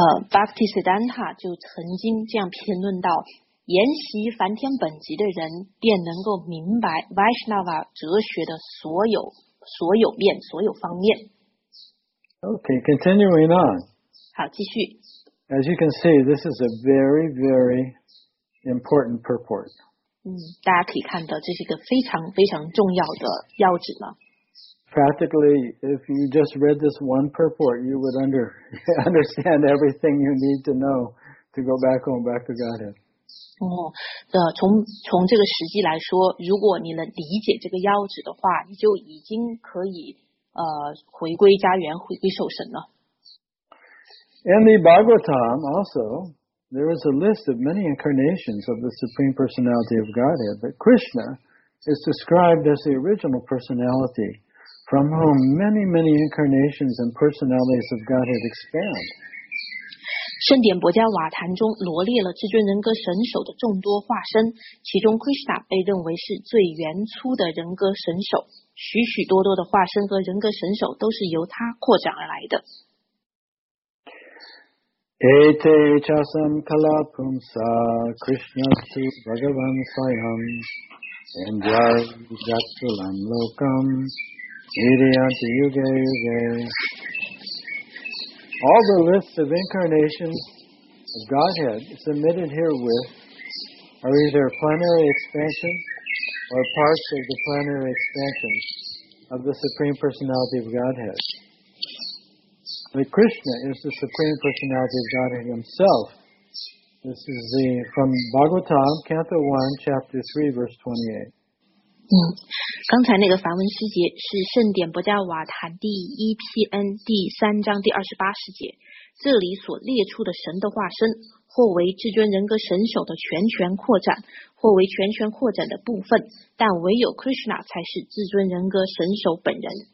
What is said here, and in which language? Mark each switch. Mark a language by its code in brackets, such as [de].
[zh] Bhaktisiddhanta 就曾经这样评论到。研习梵天本集的人便能够明白 Vaishnava 哲学的所有面所有方面。 [en] OK, continuing on. [zh] 好，继续。 [en] As you can see, this is a very, very important purport. [zh] 大家可以看到这是一个非常非常重要的要旨了。 [en] Practically, if you just read this one purport, you would understand everything you need to know to go back home, back to Godhead. [zh] 从这个实际来说，如果你能理解这个要旨的话，你就已经可以回归家园，回归受神了。 [en] In the Bhagavatam also, there is a list of many incarnations of the Supreme Personality of Godhead, but Krishna is described as the original personality from whom many, many incarnations and personalities of Godhead expand. [zh] 圣典薄伽瓦坛中罗列了至尊人格神首的众多化身，其中 Krishna 被认为是最原初的人格神首，许许多多的化身和人格神首都是由他扩展而来的。 [sa] Ete chasam kalapum sa Krishna stu Bhagavan svayam Endyai jatulam lokam Iriyanti yuge yuge. [en] All the lists of incarnations of Godhead submitted herewith are either plenary expansion or parts of the plenary expansion of the Supreme Personality of Godhead. But Krishna is the Supreme Personality of Godhead Himself. This is the from Bhagavatam, Canto 1, Chapter 3, Verse 28. [zh] 刚才那个梵文细节是圣典博加瓦塔第一篇第三章第二十八世节，这里所列出的神的化身，或为至尊人格神手的全权扩展，或为全权扩展的部分，但唯有 Krishna 才是至尊人格神手本人。